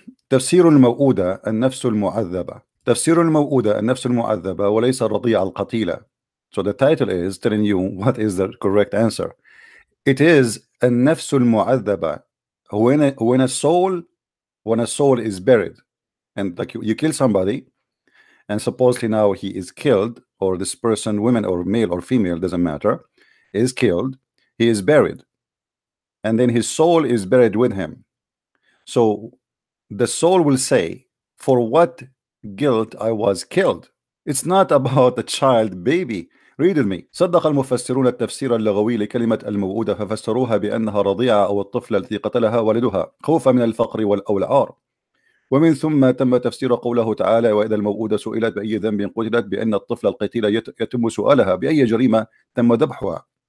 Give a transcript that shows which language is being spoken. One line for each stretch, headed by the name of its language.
Arabic: تفسير المؤودة النفس المعذبة. تفسير المؤودة النفس المعذبة وليس الرضيع القتيلة.
English: So the title is telling you what is the correct answer. It is
Arabic: النفس المعذبة.
English: When a soul is buried, and like you kill somebody, and supposedly now he is killed, or this person, woman or male or female, doesn't matter, is killed, he is buried. And then his soul is buried with him. So the soul will say, for what guilt I was killed? It's not about the child, baby. Read with me.
Arabic: صدق المفسرون التفسير اللغوي لكلمة الموؤودة ففسروها بأنها رضيعة أو الطفلة التي قتلها والدها خوفا من الفقر أو العار. ومن ثم تم تفسير قوله تعالى وإذا الموؤودة سئلت بأي ذنب قتلت بأن الطفلة القتيلة يتم سؤالها بأي جريمة تم ذبحها.